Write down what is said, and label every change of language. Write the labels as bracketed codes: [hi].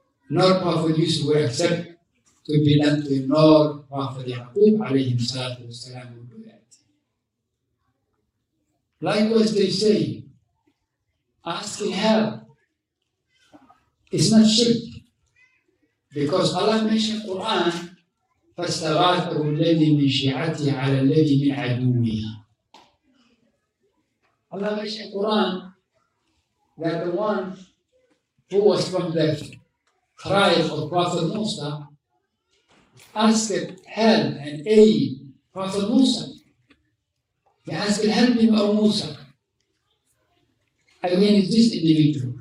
[en] Nor Prophet Yusuf would accept to be done to him, nor Prophet Yaqub alayhi salatu wasalam would do that. Likewise, they say, asking help is not shirk. Because Allah mentioned Quran, [ar] فَاسْتَغَاثَهُ الَّذِي مِنْ شِعَتِهِ عَلَى الَّذِي مِنْ عَدُوِّهِ. [en] Allah mentioned Quran that the one who was from the tribe of Prophet Musa asked help and aid Prophet Musa. He asked help him of Musa. I mean, it's this individual.